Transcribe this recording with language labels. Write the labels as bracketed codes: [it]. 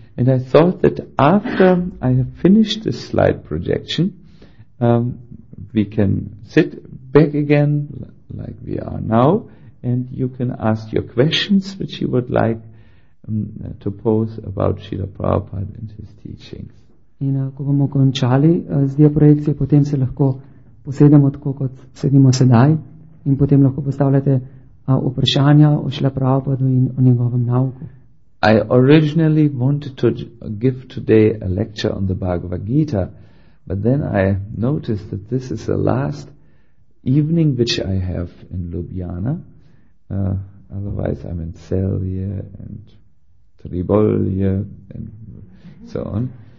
[en] And I thought that after I have finished this slide projection, we can sit back again, like we are now, and you can ask your questions, which you would like to pose about Srila Prabhupada and his teachings. [sl] In ko bomo končali z diaprojekcijo, potem se lahko posedemo tako, kot sedimo sedaj, in potem lahko postavljate vprašanja o Srila Prabhupada in o njegovem nauku. [en] I originally wanted to give today a lecture on the Bhagavad Gita, but then I noticed that this is the last evening which I have in Ljubljana. Otherwise I'm in Celje and Tribolje and so on.